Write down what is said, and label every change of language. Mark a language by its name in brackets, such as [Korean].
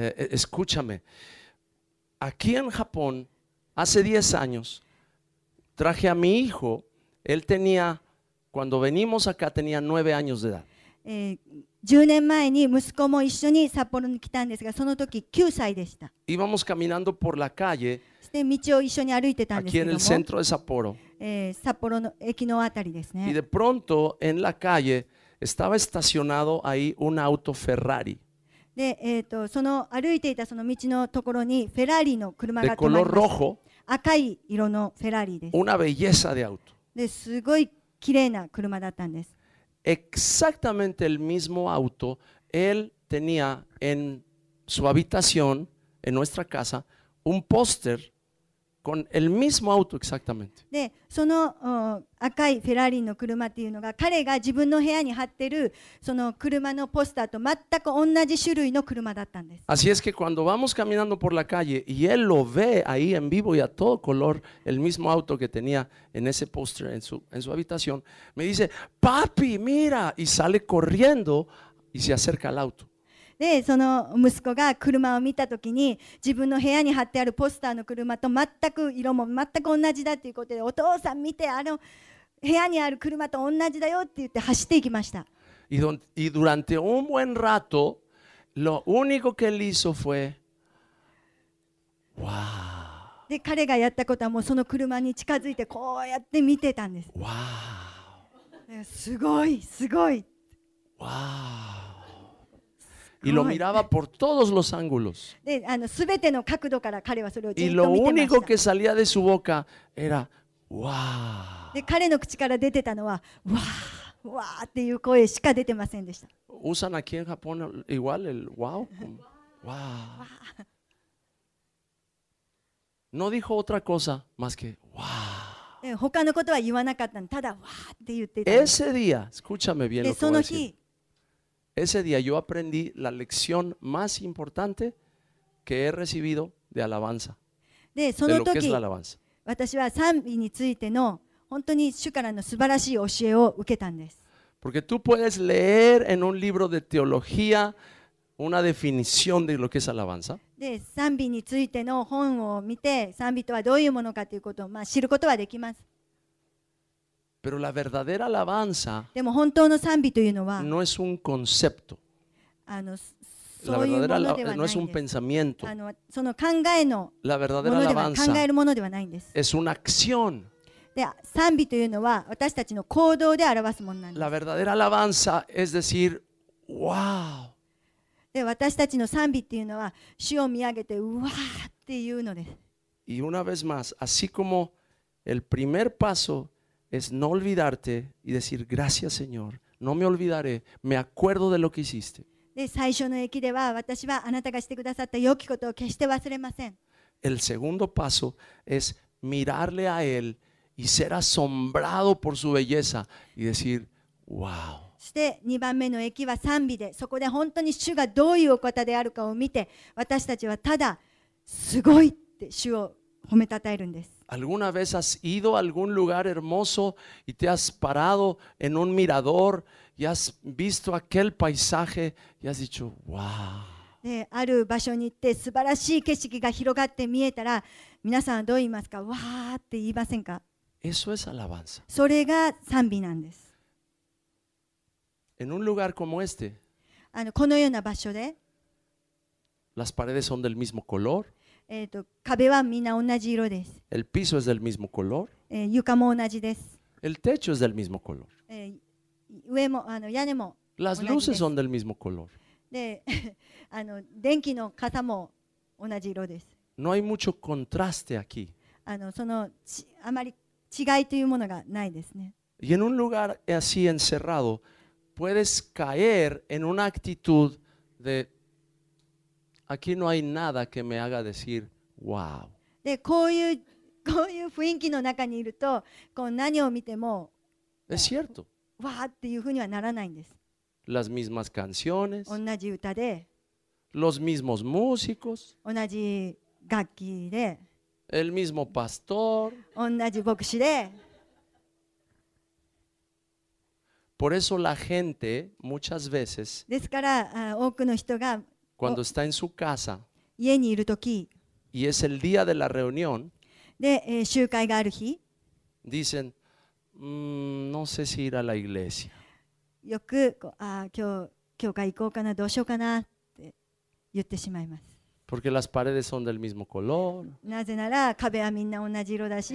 [Spanish] Escúchame, aquí en Japón, hace 10 años, traje a mi hijo. Él tenía, cuando venimos acá, tenía 9 años de edad. [Japanese] 10年前に息子も一緒に札幌に来たんですが、その時9歳でした。 [Spanish] Íbamos caminando por la calle. Aquí en el centro de Sapporo. [Japanese] Sapporo の駅のあたりですね。 [Spanish] Y de pronto en la calle estaba estacionado ahí un auto Ferrari. [Japanese] その歩いていたその道のところにフェラーリの車が止まりました。 [Spanish] De color rojo. [Japanese] 赤い色のフェラーリです。 [Spanish] Una belleza de auto. [Japanese] ですごい綺麗な車だったんです。 [Spanish] Exactamente el mismo auto él tenía en su habitación, en nuestra casa, un póster con el mismo auto exactamente. [Japanese] De, その, 赤いフェラーリの車っていうのが彼が自分の部屋に貼ってるその車のポスターと全く同じ種類の車だったんです。 [Spanish] Así es que cuando vamos caminando por la calle y él lo ve ahí en vivo y a todo color el mismo auto que tenía en ese póster en su habitación, me dice, papi, mira, y sale corriendo y se acerca al auto. [Japanese] でその息子が車を見たときに自分の部屋に貼ってあるポスターの車と全く色も全く同じだということでお父さん見てあの部屋にある車と同じだよって言って走っていきました。 [Spanish] y durante un buen rato lo único que él hizo fue wow. [Japanese] で彼がやったことはもうその車に近づいてこうやって見てたんです。 wow. すごいすごい wow. [Spanish] Y lo miraba por todos los ángulos. [Japanese] De, あの、全ての角度から彼はそれをじっと見てました。 [Spanish] Y lo único que salía de su boca era, ¡Wow! [Japanese] で、彼の口から出てたのは、わー、わーっていう声しか出てませんでした。 [Spanish] Usan aquí en Japón igual el wow. Wow. No dijo otra cosa más que, ¡Wow! [Japanese] 他のことは言わなかったの。ただ、わーって言ってた。 [Spanish] Ese día, escúchame bien lo que voy a decir. Ese día yo aprendí la lección más importante que he recibido de alabanza. De, [Japanese] その時, [Spanish] de lo que es la alabanza. [Japanese] 私は賛美についての本当に主からの素晴らしい教えを受けたんです。 [Spanish] Porque tú puedes leer en un libro de teología una definición de lo que es alabanza. [Japanese] De, 賛美についての本を見て賛美とはどういうものかということを、まあ、知ることはできます。 [Spanish] Pero la verdadera alabanza [Japanese] でも本当の賛美というのは [Spanish] no es un concepto. [Japanese] あの、そういうものではないです。 [Spanish] No es un pensamiento. [Japanese] あの、その考えのものでは、考えるものではないんです。 [Spanish] Es una acción. [Japanese] で、賛美というのは私たちの行動で表すものなんです。 [Spanish] La verdadera alabanza es decir, wow. [Japanese] で、私たちの賛美というのは主を見上げてうわーっていうのです。 [Spanish] Y una vez más, así como el primer pasoes no olvidarte y decir gracias Señor, no me olvidaré, me acuerdo de lo que hiciste. [Japanese] で、最初の駅では私はあなたがしてくださった良きことを決して忘れません。 [Spanish] El segundo paso es mirarle a él y ser asombrado por su belleza y decir wow. [Japanese] そして2番目の駅は賛美で、そこで本当に主がどういうお方であるかを見て、私たちはただすごいって主を褒めたたえるんです。 [Spanish] ¿Alguna vez has ido a algún lugar hermoso y te has parado en un mirador y has visto aquel paisaje y has dicho, wow? [Japanese] ある場所に行って素晴らしい景色が広がって見えたら、皆さんはどう言いますか？わーって言いませんか？ [Spanish] Eso es alabanza. [Japanese] それが賛美なんです。 [Spanish] En un lugar como este, [Japanese] あの、このような場所で、 [Spanish] las paredes son del mismo color. [Japanese] 壁はみんな同じ色です。 [Spanish] El piso es del mismo color. [Japanese] 床も同じです。 [Spanish] El techo es del mismo color. [Japanese] 上も、あの、屋根も同じです。 [Spanish] Las luces son del mismo color. [Japanese] で、あの、電気の傘も同じ色です。 [Spanish] No hay mucho contraste aquí. [Japanese] あの、その、あまり違いというものがないですね。 [Spanish] Y en un lugar así encerrado, puedes caer en una actitud de... Aquí no hay nada que me haga decir wow. [Japanese] で、こういう雰囲気の中にいると、こう何を見ても、 [Spanish] es cierto. [Japanese] わーっていうふうにはならないんです。 [Spanish] Las mismas canciones. [Japanese] 同じ歌で。 [Spanish] Los mismos músicos. [Japanese] 同じ楽器で。 [Spanish] El mismo pastor. [Japanese] 同じ牧師で。 [Spanish] Por eso la gente muchas veces. [Japanese] ですから、多くの人が。 [Spanish] Cuando está en su casa, [Japanese] 家にいるとき、 [Spanish] y es el día de la reunión, [Japanese] で、集会がある日、 [Spanish] dicen, no sé si ir a la iglesia. [Japanese] よく、あ、教会行こうかな、どうしようかなって言ってしまいます。 [Spanish] Porque las paredes son del mismo color. [Japanese] なぜなら壁はみんな同じ色だし、